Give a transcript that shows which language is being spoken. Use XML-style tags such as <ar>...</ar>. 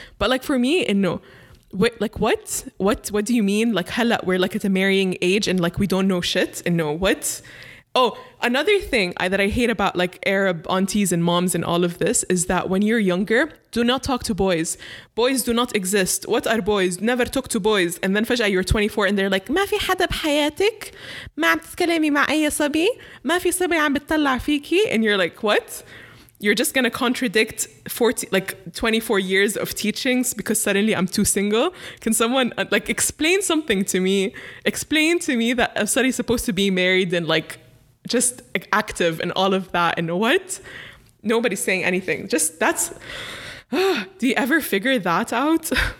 <en>But like for me, and no, wait, like what do you mean? Like hella, we're like at a marrying age and like, we don't know shit, and no, what? Oh, another thing that I hate about like Arab aunties and moms and all of this is that when you're younger, do not talk to boys. Boys do not exist. What are boys? Never talk to boys. And then</en> <ar>فجأة</ar> <en>you're 24 and they're like,</en> <ar>ما في حدا بحياتك؟ ما عم تتكلمي مع أي صبي؟ ما في صبي عم بتطلع فيكي؟</ar> <en>And you're like, what? You're just going to contradict 24 years of teachings because suddenly I'm too single. Can someone like explain something to me? Explain to me that I'm suddenly supposed to be married and like just like, active and all of that. And what? Nobody's saying anything. Just that's, do you ever figure that out?</en>